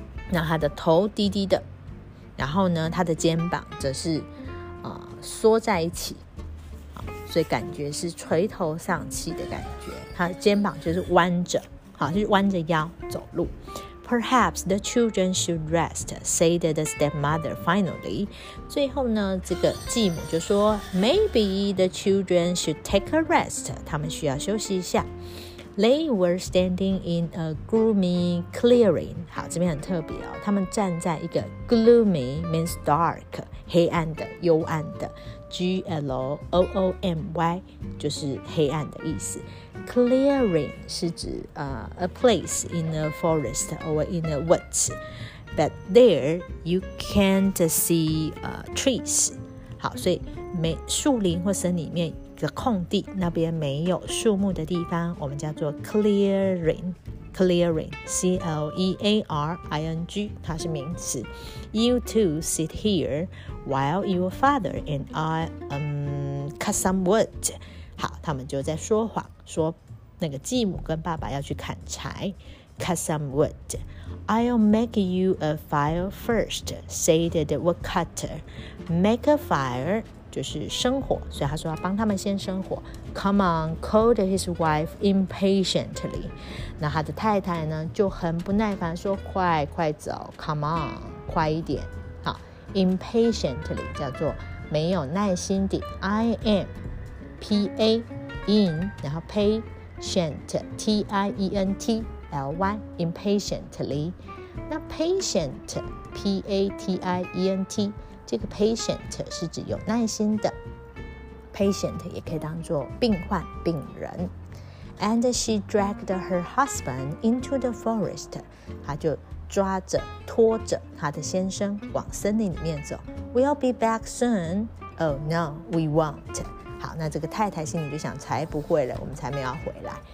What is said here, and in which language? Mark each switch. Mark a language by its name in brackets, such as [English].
[Chinese] 那他的头低低的，然后呢，他的肩膀则是、缩在一起，所以感觉是垂头丧气的感觉。他的肩膀就是弯着。好，就是弯着腰走路。 [English] Perhaps the children should rest, said the stepmother finally. [Chinese] 最后呢，这个继母就说 , [English] Maybe the children should take a rest, [Chinese] 他们需要休息一下。 [English] They were standing in a gloomy clearing. [Chinese] 好，这边很特别哦。他们站在一个 [English] gloomy means dark, [Chinese] 黑暗的、幽暗的。 gloomy 就是黑暗的意思。 [English] Clearing [Chinese] 是指、 [English] a place in a forest or in a woods, but there you can't see、trees. [Chinese] 好，所以没树林或森林里面的空地，那边没有树木的地方，我们叫做 clearing。 Clearing, C-L-E-A-R-I-N-G, 它是名词。 [English] You two sit here while your father and I、cut some wood. [Chinese] 好，他们就在说谎，说那个继母跟爸爸要去砍柴。 [English] Cut some wood. I'll make you a fire first, said the woodcutter. Make a fire, [Chinese] 就是生火，所以他说要帮他们先生火。 [English] Come on, called his wife impatiently. [Chinese] 那他的太太呢就很不耐烦说快快走 , [English] come on, [Chinese] 快一点。好 ,impatiently 叫做没有耐心的 ,I am, P-A, in, 然后 patient, T-I-E-N-T-L-Y, impatiently. 那 patient, P-A-T-I-E-N-T, 这个 patient 是指有耐心的。 Patient 也可以当作病患、病人。 [English] And she dragged her husband into the forest. [Chinese] 她就抓着、拖着她的先生往森林里面走。 [English] We'll be back soon. Oh no, we won't. [Chinese] 好，那这个太太心里就想，才不会了，我们才没有回来。